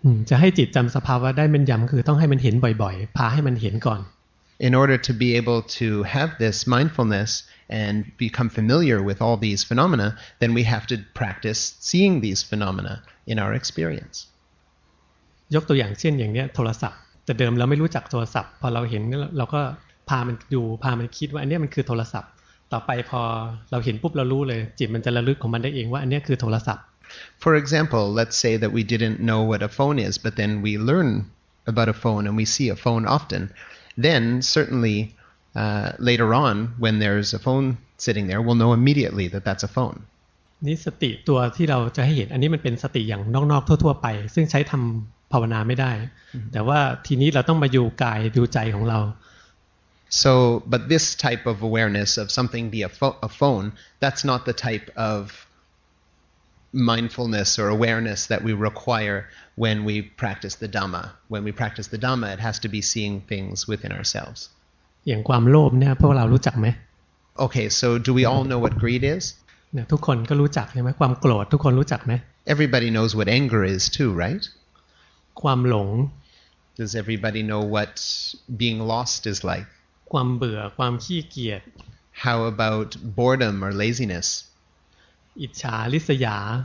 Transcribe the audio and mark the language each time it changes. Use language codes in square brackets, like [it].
[th] จะให้จิตจําสภาวะได้แม่นยําคือต้องให้มันเห็นบ่อยๆพาให้มันเห็นก่อน [en] in order to be able to have this mindfulness and become familiar with all these phenomena then we have to practice seeing these phenomena in our experience [th] ยกตัวอย่างเช่นอย่างเนี้ยโทรศัพท์แต่เดิมเราไม่รู้จักโทรศัพท์พอเราเห็นเราก็พามันดูพามันคิดว่าอันนี้มันคือโทรศัพท์ต่อไปพอเราเห็นปุ๊บเรารู้เลยจิตมันจะระลึกของมันได้เองว่าอันนี้คือโทรศัพท์ [en] For example, let's say that we didn't know what a phone is, but then we learn about a phone and we see a phone often. Then certainly later on when there's a phone sitting there, we'll know immediately that that's a phone. [th] นี่สติตัวที่เราจะให้เห็นอันนี้มันเป็นสติอย่างนอกๆทั่วๆไปซึ่งใช้ทำภาวนาไม่ได้แต่ว่าทีนี้เราต้องมาอยู่กายอยู่ใจของเรา [en] So, but this type of awareness of something be a phone, that's not the type of mindfulness or awareness that we require when we practice the Dhamma. When we practice the Dhamma, it has to be seeing things within ourselves. [th] อย่างความโลภเนี่ยพวกเรารู้จักไหม [en] Okay, so do we all know what greed is? [th] เนี่ยทุกคนก็รู้จักใช่ไหมความโกรธทุกคนรู้จักไหม [en] Everybody knows what anger is too, right? [th] ความหลง [en] Does everybody know what being lost is like? [th] ความเบื่อความขี้เกียจ [en] How about boredom or laziness? [th] อิจฉาริษยา